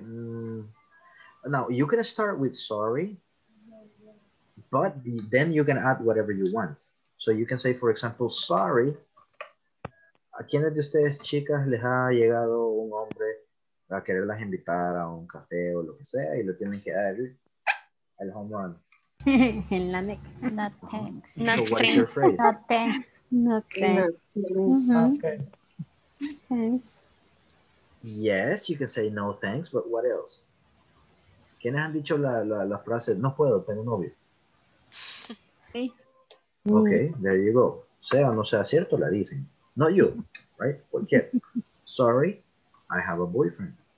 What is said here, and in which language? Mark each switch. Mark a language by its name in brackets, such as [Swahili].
[English] Now, you can start with sorry, but then you can add whatever you want. So you can say, for example, sorry. [Spanish] ¿A quiénes de ustedes, chicas, les ha llegado un hombre a quererlas invitar a un café o lo que sea y le tienen que dar el home run? En la neta. [English] No, thanks. So no, what's your phrase? No, thanks. No, thanks. No, thanks. Okay. Yes, you can say no thanks, but what else? [Spanish] ¿Quiénes han dicho la frase, no puedo, tengo novio? Sí. [English] Okay, there you go. [Spanish] Sea o no sea cierto, la dicen. [English] Not you, right? [Spanish] Cualquier. [English] Sorry, I have a boyfriend.